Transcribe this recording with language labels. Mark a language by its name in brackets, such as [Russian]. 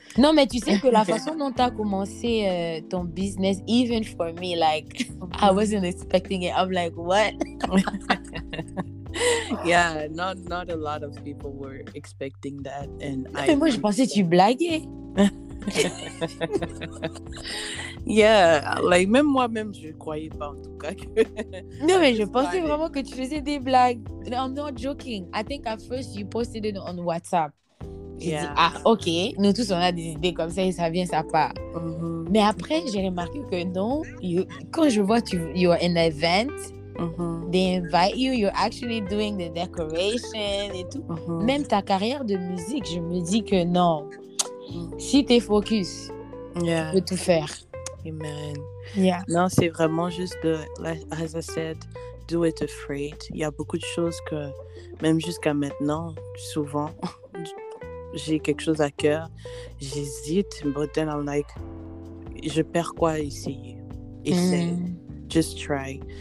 [French] Non mais tu sais que la façon dont t'as commencé ton business, [English] even for me, like I wasn't expecting it. I'm like, what? Yeah, not a lot of people were expecting that, and [French] non, mais moi je pensais tu blaguais. Yeah, like même moi-même je croyais pas en tout cas. Que... Non mais je pensais vraiment que tu faisais des blagues. [English] No, I'm not joking. I think at first you posted it on WhatsApp. Yeah. [French] Ah, ok. Nous tous on a des idées comme ça et ça vient, ça part. Mm-hmm. Mais après j'ai remarqué que non, quand je vois [English] you are in an event. Mm-hmm. They invite you, you're actually doing the decoration et tout. Mm-hmm. [French] Même ta carrière de musique, je me dis que non. Si t'es focus, [English] yeah. [French] tu peux tout faire. [English] Amen. Yeah. [French] Non, c'est vraiment juste de, like, [English] as I said, do it afraid. [French] Il y a beaucoup de choses que, même jusqu'à maintenant, souvent, j'ai quelque chose à cœur, j'hésite, [English] but then I'm like, [French] je perds quoi à essayer? Essaye. Mm. [English] Just try.